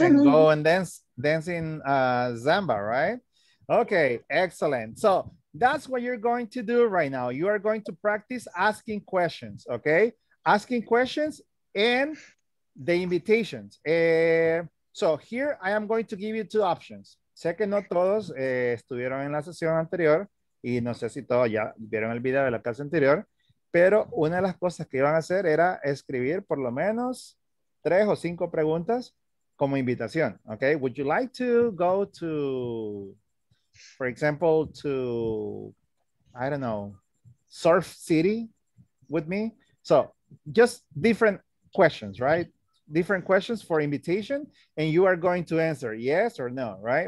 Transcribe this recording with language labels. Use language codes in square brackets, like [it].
[en] And go and dance in Zamba, right? Okay, excellent. So that's what you're going to do right now. You are going to practice asking questions, okay? Asking questions and the invitations. So here I am going to give you two options. [es] Sé que no todos estuvieron en la sesión anterior y no sé si todos ya vieron el video de la clase anterior, pero una de las cosas que iban a hacer era escribir por lo menos 3 o 5 preguntas como invitación. [en] Okay, would you like to go to, for example, to, I don't know, Surf City with me? So just different questions, right? Different questions for invitation, and you are going to answer yes or no, right?